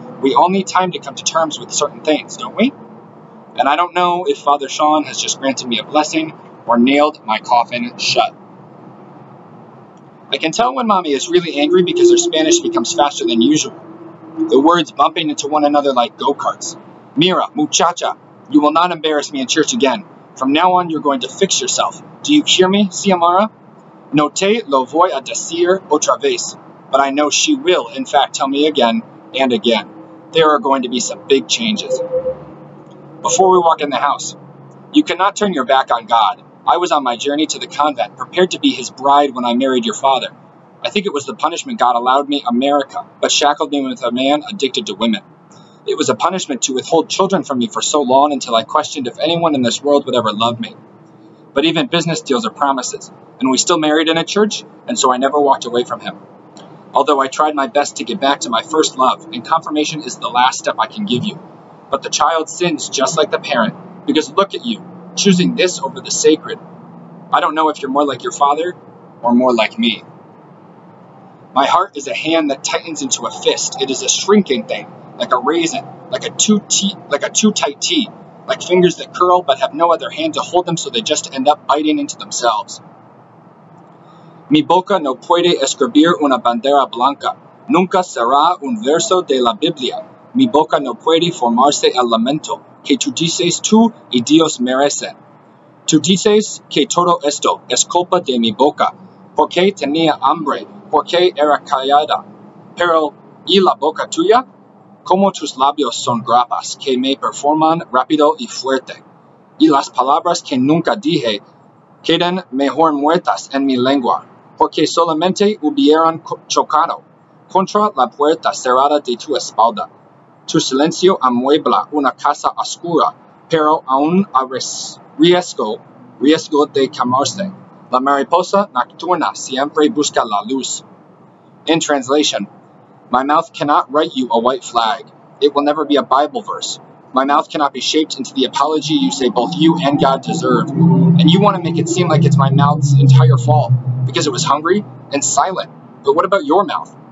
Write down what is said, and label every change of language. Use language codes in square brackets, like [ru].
[en] We all need time to come to terms with certain things, don't we? And I don't know if Father Sean has just granted me a blessing or nailed my coffin shut. I can tell when Mommy is really angry because her Spanish becomes faster than usual. The words bumping into one another like go-karts. [es] Mira, muchacha, [en] you will not embarrass me in church again. From now on, you're going to fix yourself. Do you hear me, Xiomara? [es] No te lo voy a decir otra vez. [en] But I know she will, in fact, tell me again and again. There are going to be some big changes. Before we walk in the house, you cannot turn your back on God. I was on my journey to the convent, prepared to be his bride when I married your father. I think it was the punishment God allowed me, America, but shackled me with a man addicted to women. It was a punishment to withhold children from me for so long until I questioned if anyone in this world would ever love me. But even business deals are promises, and we still married in a church, and so I never walked away from him. Although I tried my best to get back to my first love, and confirmation is the last step I can give you. But the child sins just like the parent, because look at you, choosing this over the sacred. I don't know if you're more like your father or more like me. My heart is a hand that tightens into a fist. It is a shrinking thing. Like a raisin, like a too tight tee, like fingers that curl but have no other hand to hold them, so they just end up biting into themselves. [es] Mi boca no puede escribir una bandera blanca. Nunca será un verso de la Biblia. Mi boca no puede formarse el lamento que tú dices tú y Dios merece. Tú dices que todo esto es culpa de mi boca, porque tenía hambre, porque era callada. Pero, ¿y la boca tuya? Como tus labios son grapas que me performan rápido y fuerte. Y las palabras que nunca dije quedan mejor muertas en mi lengua, porque solamente hubieran chocado contra la puerta cerrada de tu espalda. Tu silencio amuebla una casa oscura, pero aún a riesgo de quemarse. La mariposa nocturna siempre busca la luz. [en] In translation, my mouth cannot write you a white flag. It will never be a Bible verse. My mouth cannot be shaped into the apology you say both you and God deserve. And you want to make it seem like it's my mouth's entire fault, because it was hungry and silent. But what about your mouth?